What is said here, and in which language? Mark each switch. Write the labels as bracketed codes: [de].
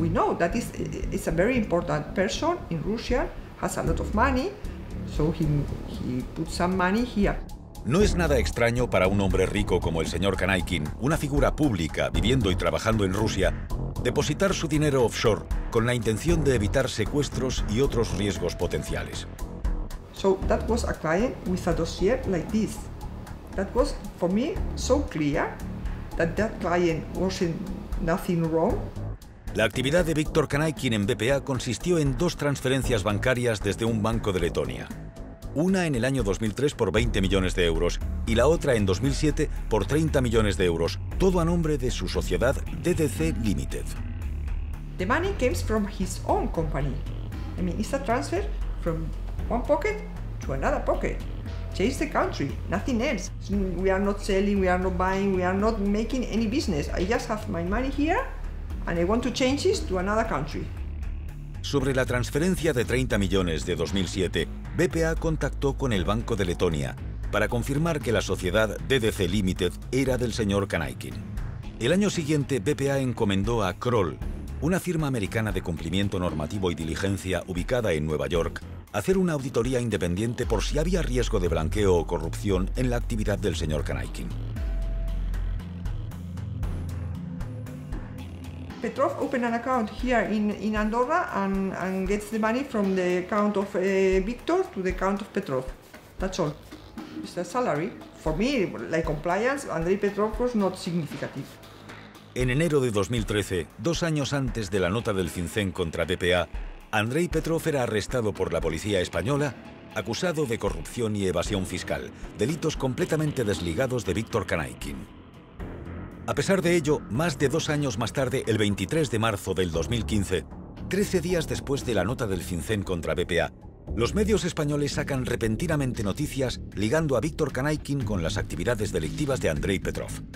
[en] We know that is a very important person in Russia, has a lot of money, so he put some money here. [es] No es nada extraño para un hombre rico como el señor Kanaikin, una figura pública viviendo y trabajando en Rusia, depositar su dinero offshore con la intención de evitar secuestros y otros riesgos potenciales. [en] So that was a client with a dossier like this. That was for me so clear that that client wasn't nothing wrong. [es] La actividad de Viktor Kanaikin en BPA consistió en dos transferencias bancarias desde un banco de Letonia. Una en el año 2003 por 20 millones de euros y la otra en 2007 por 30 millones de euros, todo a nombre de su sociedad DDC Limited. [en] The money came from his own company. I mean, it's a transfer from one pocket to another pocket. Change the country, nothing else. We are not selling, we are not buying, we are not making any business. I just have my money here and I want to change it to another country. [es] Sobre la transferencia de 30 millones de 2007, BPA contactó con el Banco de Letonia para confirmar que la sociedad DDC Limited era del señor Kanaikin. El año siguiente, BPA encomendó a Kroll, una firma americana de cumplimiento normativo y diligencia ubicada en Nueva York, hacer una auditoría independiente por si había riesgo de blanqueo o corrupción en la actividad del señor Kanaikin. [en] Petrov opened an account here in Andorra and gets the money from the account of Viktor to the account of Petrov. That's all. It's a salary. For me, like compliance, Andrei Petrov was not significant. [es] En enero de 2013, dos años antes de la nota del FinCEN contra BPA, Andrei Petrov era arrestado por la policía española, acusado de corrupción y evasión fiscal, delitos completamente desligados de Viktor Kanaikin. A pesar de ello, más de dos años más tarde, el 23 de marzo del 2015, 13 días después de la nota del FinCEN contra BPA, los medios españoles sacan repentinamente noticias ligando a Viktor Kanaikin con las actividades delictivas de Andrei Petrov.